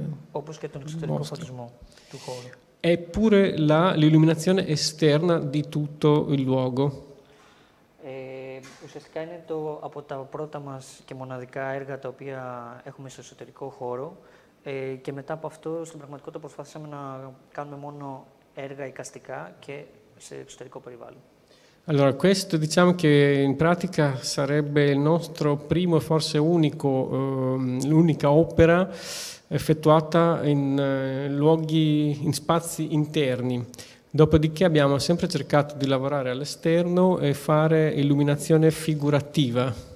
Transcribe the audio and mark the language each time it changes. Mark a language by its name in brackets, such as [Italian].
[Greek] όπως και τον εξωτερικό φωτισμό του χώρου. [Italian] Eppure l'illuminazione esterna di tutto il luogo. [Greek] Ουσιαστικά είναι το από τα πρώτα μας και μοναδικά έργα τα οποία έχουμε στο εσωτερικό χώρο και μετά από αυτό στην πραγματικότητα προσπάθησαμε να κάνουμε μόνο έργα εικαστικά και σε εξωτερικό περιβάλλον. [Italian] Allora, questo diciamo che in pratica sarebbe il nostro primo e forse unico, l'unica opera effettuata in luoghi, in spazi interni. Dopodiché abbiamo sempre cercato di lavorare all'esterno e fare illuminazione figurativa.